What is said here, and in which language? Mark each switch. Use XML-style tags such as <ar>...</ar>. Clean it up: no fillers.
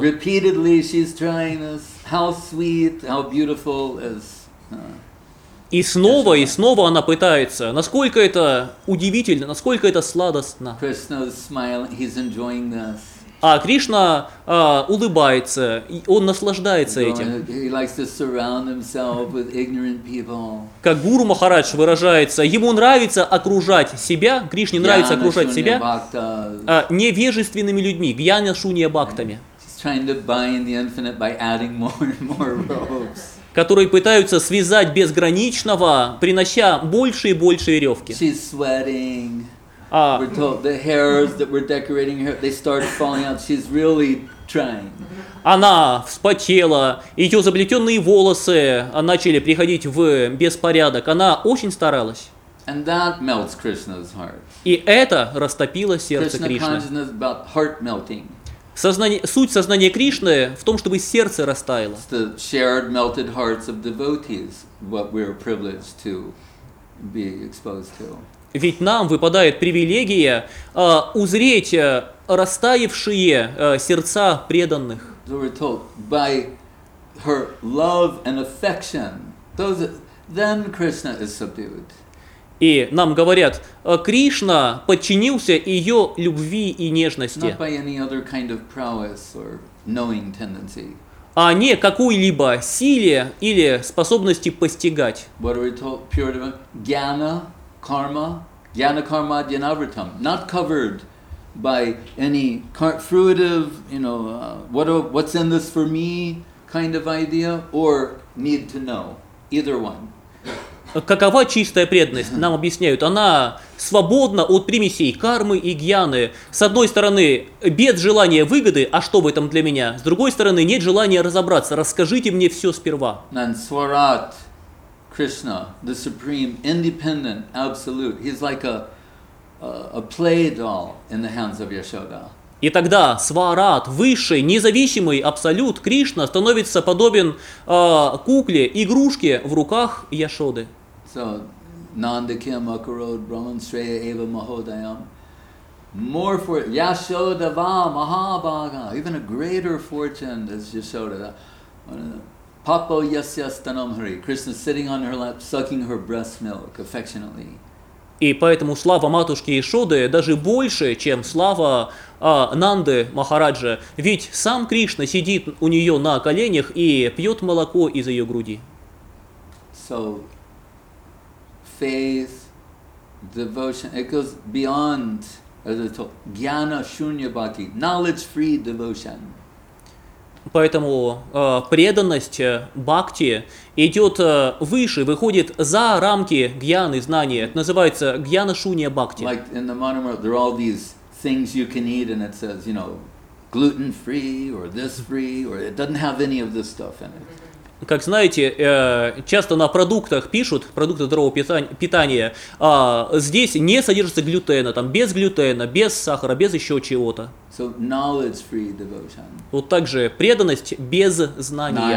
<en>Repeatedly she's trying this. How sweet, how beautiful is...</en> <ru>И снова она пытается. Насколько это удивительно, насколько это сладостно.</ru> <en>Krishna's smiling, he's enjoying this.</en> <ru>А Кришна улыбается, и он наслаждается этим.</ru> <en>He likes to surround himself with ignorant people.</en> <ru>Как Гуру Махарадж выражается, ему нравится окружать себя, Кришне нравится окружать себя невежественными людьми, гьяна-шунья-бхактами.</ru> <en>He's trying to bind the infinite by adding more and more ropes.</en> <ru>которые пытаются связать безграничного, принося больше и больше веревки.</ru> <en>She's sweating. We're told the hairs that were decorating her, they started falling out. She's really trying.</en> <ru>Она вспотела, ее заплетенные волосы начали приходить в беспорядок. Она очень старалась.</ru> <en>And that melts Krishna's heart.</en> <ru>И это растопило сердце Кришны.</ru> <en>Krishna consciousness about heart melting.</en> <ru>Сознание, суть сознания Кришны в том, чтобы сердце растаяло.</ru> <en>It's the shared melted hearts of devotees, what we're privileged to be exposed to.</en> <ru>Ведь нам выпадает привилегия узреть растаявшие сердца преданных.</ru> <en>So we're told by her love and affection, then Krishna is subdued.</en> <ru>И нам говорят, Кришна подчинился ее любви и нежности.</ru> <en>Not by any other kind of prowess or knowing tendency.</en> <ru>А не какой-либо силе или способности постигать.</ru> <en>What are we told? Pure divine jnana karma.</en> <sa>Jnana karma jnanavritam,</sa> <en>not covered by any fruitive, you know, what's in this for me kind of idea, or need to know, either one.</en> <ru>Какова чистая преданность? Нам объясняют, она свободна от примесей кармы и гьяны. С одной стороны, без желания выгоды, а что в этом для меня? С другой стороны, нет желания разобраться, расскажите мне все сперва.</ru> <en>Нансварат. Krishna, the supreme, independent, absolute. He's like a play doll in the hands of Yashoda.</en> <ru>И тогда Сварат, высший, независимый, абсолют Кришна становится подобен кукле, игрушке в руках Яшоды.</ru> <sa>So, Nandakim akarod brahman shreya eva mahodayam. More for Yashoda va mahabhaga.</sa> <en>Even a greater fortune is Yashoda.</en> <sa>Papo yasya stanam hari.</sa> <en>Krishna sitting on her lap, sucking her breast milk affectionately.</en> <ru>И поэтому слава матушки Яшоды даже больше, чем слава Нанды Махараджа, ведь сам Кришна сидит у нее на коленях и пьет молоко из ее груди.</ru> <en>So, faith, devotion, it goes beyond, as I told, jnana shunya bhakti, knowledge-free devotion.</en> <ru>Поэтому преданность бхакти идет выше, выходит за рамки гьяны, знания. Это называется гьяна шунья бхакти.</ru> <en>Like in the modern world, there are all these things you can eat, and it says, you know, gluten-free or this-free, or it doesn't have any of this stuff in it.</en> <ru>Как знаете, часто на продуктах пишут, продукты здорового питания, здесь не содержится глютена, там без глютена, без сахара, без еще чего-то.</ru> <en>So, knowledge-free devotion.</en> <ru>Вот также преданность без знания.</ru>